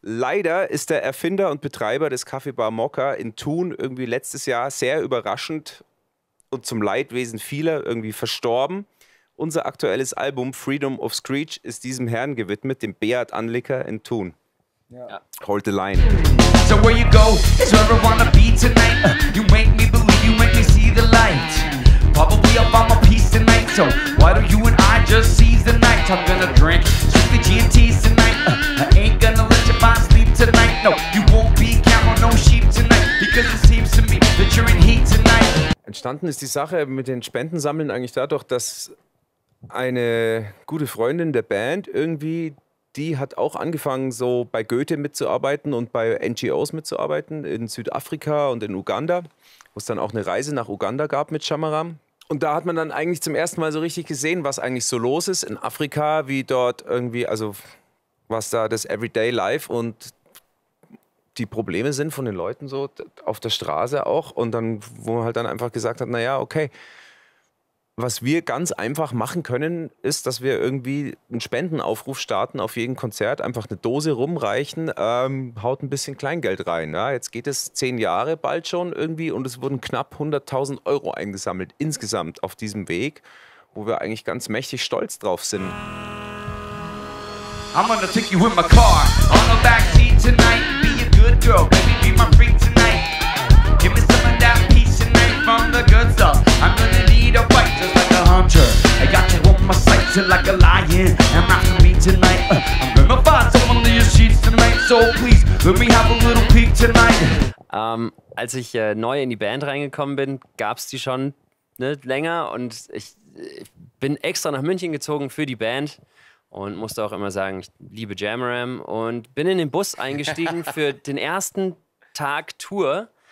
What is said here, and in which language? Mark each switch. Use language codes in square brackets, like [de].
[de] Leider ist der Erfinder und Betreiber des Café Bar Mokka in Thun irgendwie letztes Jahr sehr überraschend und zum Leidwesen vieler irgendwie verstorben. Unser aktuelles Album Freedom of Screech ist diesem Herrn gewidmet, dem Beat Anlicker in Thun. [en] Ja. Hold the line. So where you go, so where I wanna be tonight. You make me believe, you make me see the light. Probably I'll find my peace tonight, so why don't you and I just seize the night? I'm gonna drink strictly G&T's tonight. I ain't gonna let your mind sleep tonight. No, you won't be camel, no sheep tonight. Because it seems to me that you're in heat tonight. [de] Entstanden ist die Sache mit den Spendensammeln eigentlich dadurch, dass eine gute Freundin der Band irgendwie, die hat auch angefangen, so bei Goethe mitzuarbeiten und bei NGOs mitzuarbeiten in Südafrika und in Uganda. Wo es dann auch eine Reise nach Uganda gab mit Shamaram. Und da hat man dann eigentlich zum ersten Mal so richtig gesehen, was eigentlich so los ist in Afrika, wie dort irgendwie, also was da das Everyday Life und die Probleme sind von den Leuten so auf der Straße auch. Und dann, wo man halt dann einfach gesagt hat, naja, okay, was wir ganz einfach machen können, ist, dass wir irgendwie einen Spendenaufruf starten auf jedem Konzert, einfach eine Dose rumreichen, haut ein bisschen Kleingeld rein. Ja? Jetzt geht es 10 Jahre bald schon irgendwie und es wurden knapp 100.000 Euro eingesammelt insgesamt auf diesem Weg, wo wir eigentlich ganz mächtig stolz drauf sind. [en] I'm gonna take you in my car, on the back seat tonight. Be a good girl, baby, be my freak tonight. Give me some of that peace tonight from the good stuff. I'm gonna need a fight just like a hunter. I got you on my sights like a lion. I'm after me tonight. I'm gonna find some under your sheets tonight. So please, let me have a little peek tonight. [de] Als ich neu in die Band reingekommen bin, gab's die schon, ne, länger. Und ich bin extra nach München gezogen für die Band. Und musste auch immer sagen, ich liebe Jamaram. Und bin in den Bus eingestiegen für den ersten Tag Tour.